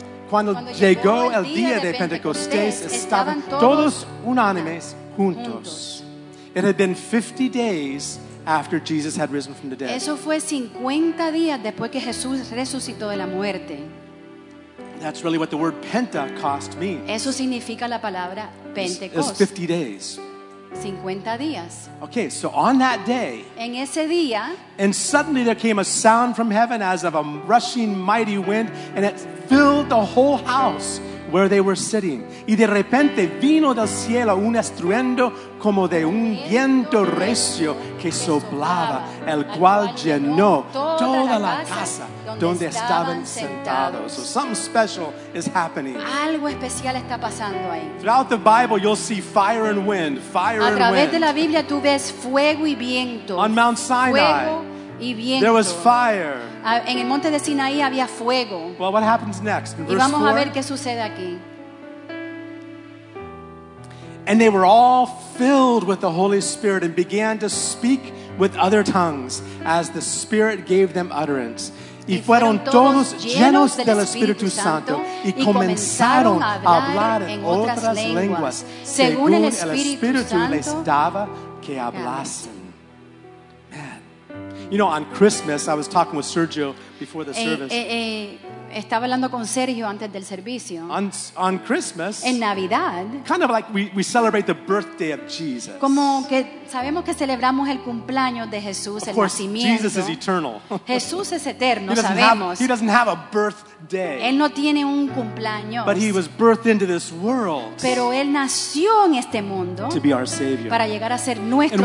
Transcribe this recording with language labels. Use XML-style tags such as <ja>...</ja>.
<es>Cuando llegó el día de Pentecostés estaban todos unánimes juntos.</es> <en>It had been 50 days after Jesus had risen from the dead.</en> <es>Eso fue 50 días después que Jesús resucitó de la muerte.</es> <en>That's really what the word Pentecost means.</en> <es>Eso significa la palabra Pentecost.</es> <en>It's 50 days.</en> <es>50 días.</es> <en>Okay, so on that day,</en> <es>en ese día,</es> <en>and suddenly there came a sound from heaven as of a rushing mighty wind, and it filled the whole house where they were sitting.</en> <es>Y de repente vino del cielo un estruendo como de un viento recio que soplaba, el cual llenó toda la casa donde estaban sentados.</es> <en>So something special is happening.</en> <es>Algo especial está pasando ahí.</es> <en>Throughout the Bible, you'll see fire and wind, fire and wind.</en> <es>A través de la Biblia tú ves fuego y viento.</es> <en>On Mount Sinai.</en> <es>Y viento.</es> <en>There was fire.</en> <es>En el monte de Sinaí había fuego.</es> <en>Well, what happens next?</en> <es>Y vamos a ver qué sucede aquí.</es> <en>And they were all filled with the Holy Spirit and began to speak with other tongues as the Spirit gave them utterance.</en> <es>Y fueron todos llenos del Espíritu Santo y comenzaron a hablar en otras lenguas según el Espíritu les daba que hablasen.</es> <en>You know, on Christmas, I was talking with Sergio before the service.</en> <es>Estaba hablando con Sergio antes del servicio.</es> <en>On Christmas.</en> <es>En Navidad.</es> <en>Kind of like we celebrate the birthday of Jesus.</en> <es>Como que sabemos que celebramos el cumpleaños de Jesús,</es> <en>of course,</en> <es>el nacimiento.</es> <en>Jesus is eternal.</en> <es>Jesús es eterno,</es> <en>he</en> <es>sabemos.</es> <en>He doesn't have a birthday.</en> <es>Él no tiene un cumpleaños.</es> <en>But he was birthed into this world.</en> <es>Pero él nació en este mundo.</es> <en>To be our Savior.</en> <es>Para llegar a ser nuestro</es>